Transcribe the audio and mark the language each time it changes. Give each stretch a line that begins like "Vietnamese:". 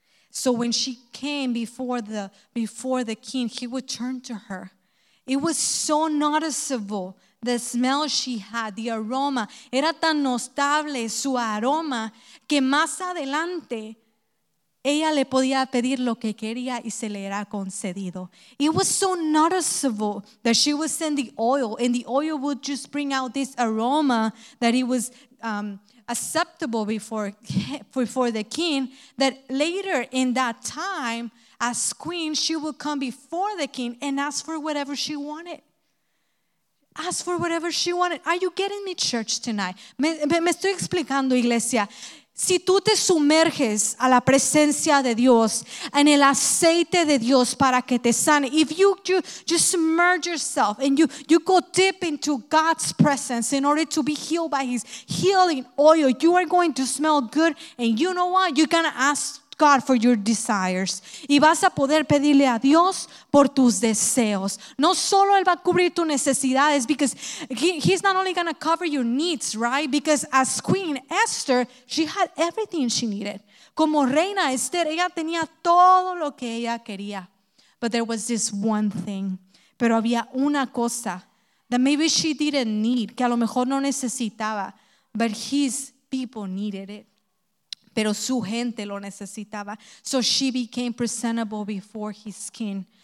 English: So when she came before the king, he would turn to her. It was so noticeable, the smell she had, the aroma.
Spanish: Era tan notable su aroma que más adelante ella le podía pedir lo que quería y se le era concedido.
English: It was so noticeable that she was in the oil, and the oil would just bring out this aroma that it was acceptable before the king, that later in that time, as queen, she would come before the king and ask for whatever she wanted. Ask for whatever she wanted. Are you getting me, church, tonight?
Spanish: Me estoy explicando, iglesia. Si tú te sumerges a la presencia de Dios, en el aceite de Dios para que te sane,
English: if you just submerge yourself and you go deep into God's presence in order to be healed by His healing oil, you are going to smell good, and you know what? You're going to ask God for your desires.
Spanish: Y vas a poder pedirle a Dios por tus deseos. No solo Él va a cubrir tus necesidades,
English: because He's not only going to cover your needs, right? Because as Queen Esther, she had everything she needed.
Spanish: Como Reina Esther, ella tenía todo lo que ella quería.
English: But there was this one thing.
Spanish: Pero había una cosa
English: that maybe she didn't need,
Spanish: que a lo mejor no necesitaba,
English: but His people needed it.
Spanish: Pero su gente lo necesitaba.
English: So she became presentable before his king.